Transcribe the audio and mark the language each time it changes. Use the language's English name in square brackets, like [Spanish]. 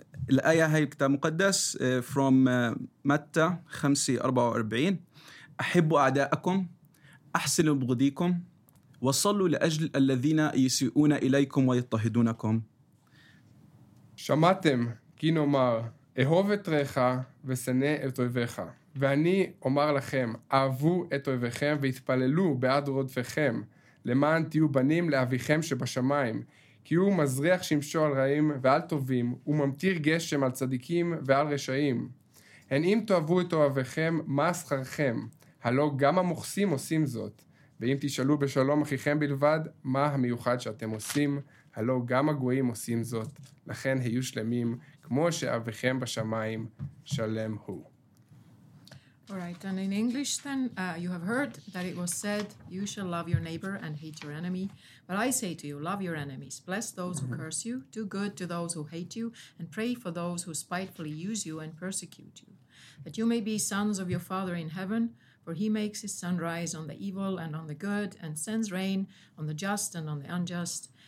[Arabic] الآية هاي الكتاب المقدس from متى 5:44 أحبوا أعداءكم أحسنوا بغضيكم وصلوا لأجل الذين يسيئون إليكم ويضطهدونكم [Hebrew] שמעתם כי נאמר אהוב את רעך ושנא את אויביך ואני אומר לכם אהבו את אויביכם והתפללו בעד רודפיכם למען תהיו בנים לאביכם שבשמיים כי הוא מזריח שימשו על רעים ועל טובים, הוא ממתיר גשם על צדיקים ועל רשעים. הן אם תאהבו את אוהביכם, מה שכרכם? הלא גם המוכסים עושים זאת. ואם תשאלו בשלום אחיכם בלבד, מה המיוחד שאתם עושים? הלא גם הגויים עושים זאת. לכן היו שלמים, כמו שאוהביכם בשמיים שלם הוא. [English] All right, and in English then, you have heard that it was said, you shall love your neighbor and hate your enemy. But I say to you, love your enemies, bless those mm-hmm. who curse you, do good to those who hate you, and pray for those who spitefully use you and persecute you, that you may be sons of your Father in heaven, for he makes his sun rise on the evil and on the good, and sends rain on the just and on the unjust.